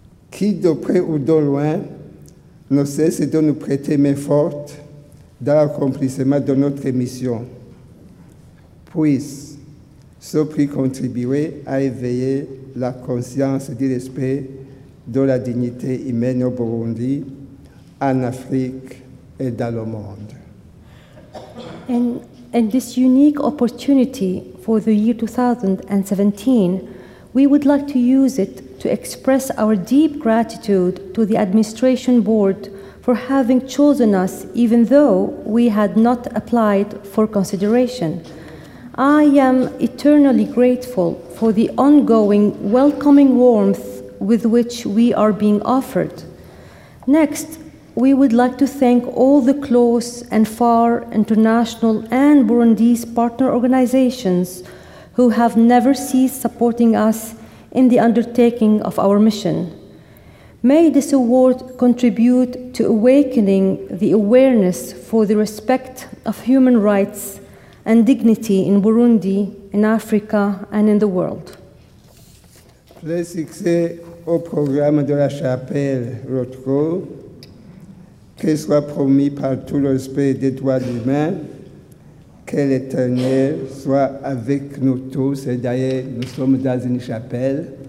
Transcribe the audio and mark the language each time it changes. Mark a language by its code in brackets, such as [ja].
[fr] Qui de près ou de loin ne cesse de nous prêter main forte dans l'accomplissement de notre mission. Puisse ce prix contribuer à éveiller la conscience du respect de la dignité humaine au Burundi, en Afrique et dans le monde. [en] In this unique opportunity for the year 2017, we would like to use it to express our deep gratitude to the administration board for having chosen us even though we had not applied for consideration. I am eternally grateful for the ongoing welcoming warmth with which we are being offered. Next, we would like to thank all the close and far international and Burundese partner organizations who have never ceased supporting us in the undertaking of our mission. May this award contribute to awakening the awareness for the respect of human rights and dignity in Burundi, in Africa, and in the world. [fr] Le succès au programme de la chapelle Rotko, qu'elle soit promis par tout le respect des droits humains, que l'Éternel soit avec nous tous. Et d'ailleurs, nous sommes dans une chapelle.